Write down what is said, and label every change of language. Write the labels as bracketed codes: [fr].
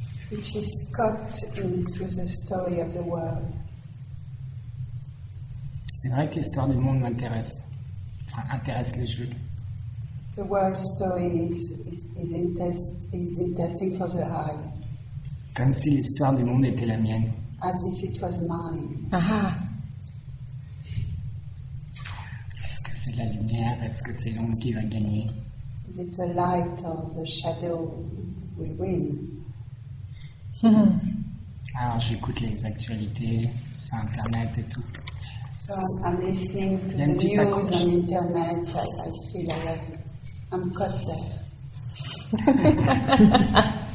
[en] Which is caught into the story of the world. [fr] C'est vrai que l'histoire du monde m'intéresse. Enfin, intéresse le jeu. [en] The world story is interesting for the eye. [fr] Comme si l'histoire du monde était la mienne. [en] As if it was mine. Aha. [fr] C'est la lumière, est-ce que c'est l'ombre qui va gagner? [en] Is it the light or the shadow will win? [fr] Alors j'écoute les actualités sur internet et tout. [en] So I'm listening to the news [fr] accroche. [en] On internet, I feel like I'm caught there.